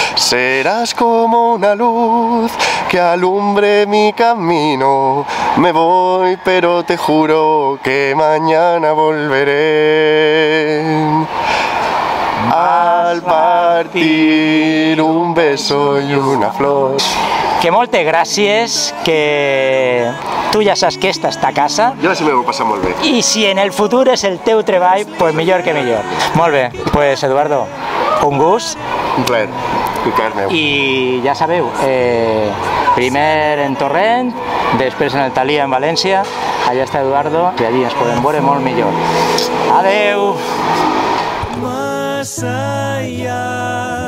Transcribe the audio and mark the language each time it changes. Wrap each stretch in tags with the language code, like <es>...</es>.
<es>Serás como una luz que alumbre mi camino. Me voy, pero te juro que mañana volveré. Al partir un beso y una flor.</es> <ca>Que moltes gràcies, que tu ja saps que esta és ta casa. Jo sí, me ho passa molt bé. I si en el futur és el teu treball, pues millor que millor. Molt bé, pues Eduardo, un gust. Un plaer. I ja sabeu, primer en Torrent, després en el Talia en València, allà està Eduardo, i allí ens podem veure molt millor. Adeu!</ca> <es>Más allá.</es>